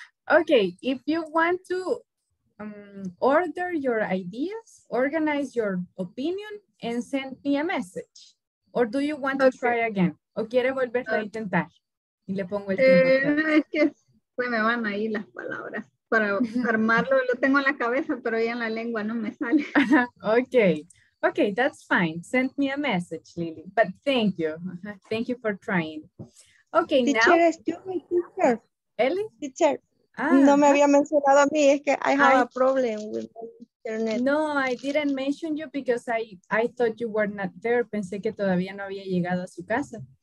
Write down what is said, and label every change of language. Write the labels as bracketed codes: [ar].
[en] Okay, if you want to order your ideas, organize your opinion, and send me a message. Or do you want to try again? [es] ¿O quiere volver a intentar? Y le pongo el tiempo. Es que se me van ahí las palabras. Para armarlo, lo tengo en la cabeza, pero ya en la lengua no me sale. [en] Okay, that's fine. Send me a message, Lily. But thank you. Thank you for trying. Okay, teacher, now. Teacher, Ellie? [es] Teacher. No me había mencionado a mí, es que [en] I have a problem with my internet. No, I didn't mention you because I thought you were not there. [es] Pensé que todavía no había llegado a su casa.